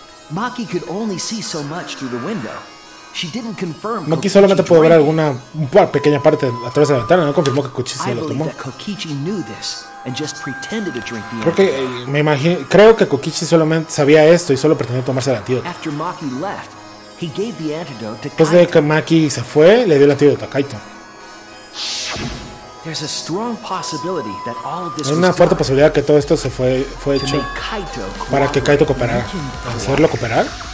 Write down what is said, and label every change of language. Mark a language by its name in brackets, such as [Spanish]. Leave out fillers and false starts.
[English] Maki could only see so much through the window. She didn't confirm. [Spanish] Maki solamente pudo ver alguna pequeña parte a través de la ventana. No confirmó que Kokichi se lo tomó. [English] Kokichi knew this. And just pretended to drink the antidote. [Spanish] Creo que me imagino, creo que Kokichi solamente sabía esto y solo pretendió tomarse el antídoto. [English] After Maki left, He gave the antidote to Kaito. [Spanish] Después de que Maki se fue, le dio el antídoto a Kaito. [English] There's a strong possibility that all of this [Spanish] Hay una fuerte posibilidad que todo esto se fue hecho Kaito para que Kaito cooperara. ¿Hacerlo cooperar?